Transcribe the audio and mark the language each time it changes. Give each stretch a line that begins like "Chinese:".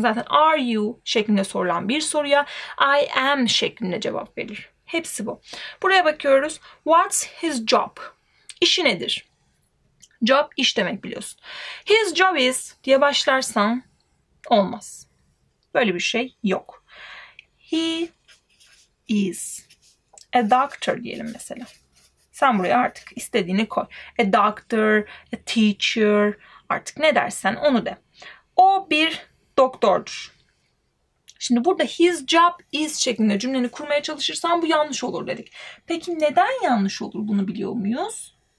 Turkish: Zaten are you şeklinde sorulan bir soruya I am şeklinde cevap verir. Hepsi bu. Buraya bakıyoruz.
English: What's his job?
Turkish: İşi nedir? Job iş demek biliyorsun. His job is diye başlarsan olmaz. Böyle bir şey yok.
English: He is a doctor
Turkish: diyelim mesela. Sen buraya artık istediğini koy. A doctor, a teacher, artık ne dersen onu de. O bir doktordur. Şimdi burada his job is şeklinde cümleni kurmaya çalışırsan bu yanlış olur dedik. Peki neden yanlış olur, bunu biliyor muyuz?